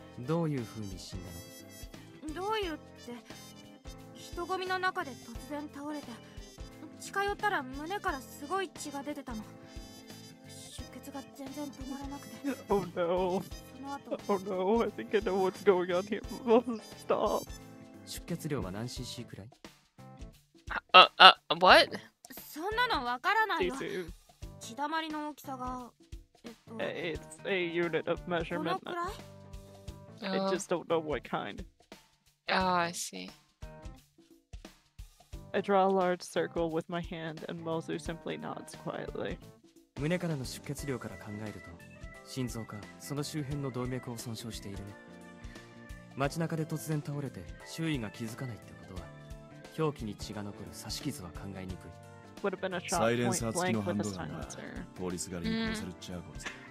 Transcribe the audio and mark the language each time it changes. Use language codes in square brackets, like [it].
[ja] どういう風に死んだの？どういうって、人混みの中で突然倒れて、近寄ったら胸からすごい血が出てたの。出血が全然止まらなくて。 [en] Oh no. [ja] その後、 [en] Oh no. I think I know what's going on here. Must stop. [ja] 出血量は何 cc くらい？ [en] What? [ja] そんなのわからないよ。 [en] Cc. [ja] 血だまりの大きさが、 [en] It's a unit of measurement. [ja] このくらい？ [en] I just don't know what kind. Oh, I see. I draw a large circle with my hand, and Mozu simply nods quietly. [ja] 胸からの出血量から考えると、心臓かその周辺の動脈を損傷しているね。街中で突然倒れて周囲が気づかないってことは、表記に血が残る刺し傷は考えにくい。 [en] Would have been a shot point blank with a silencer. [ja] サイレンサー付きのハンドガンが通りすがりに殺されちゃうござ。